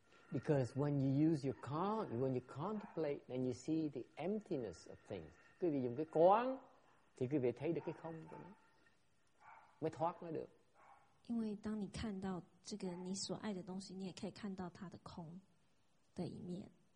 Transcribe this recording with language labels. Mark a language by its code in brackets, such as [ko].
[en] Because when you use your con, when you contemplate, then you see the emptiness of things. [zh] 各位用个观， [vi] thì各位thấy được cái không của nó, mới thoát nó được. [zh] 因为当你看到这个你所爱的东西，你也可以看到它的空的一面。